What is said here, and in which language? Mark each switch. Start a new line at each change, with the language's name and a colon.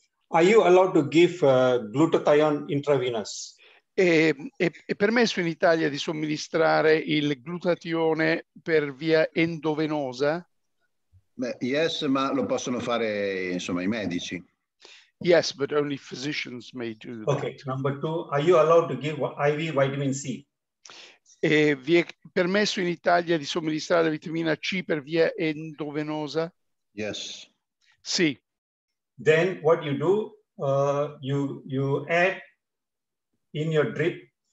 English: Are you allowed to give glutathione intravenous?
Italian: È permesso in Italia di somministrare il glutathione per via endovenosa? Beh,
English: yes,
Italian: ma lo possono fare insomma i medici.
English: Yes, but only physicians may do that. Okay, number 2, are you allowed to give IV vitamin C?
Italian: E vi è permesso in Italia di somministrare la vitamina C per via endovenosa?
English: Yes.
Italian: Sì.
English: Then what you do, you add in your drip.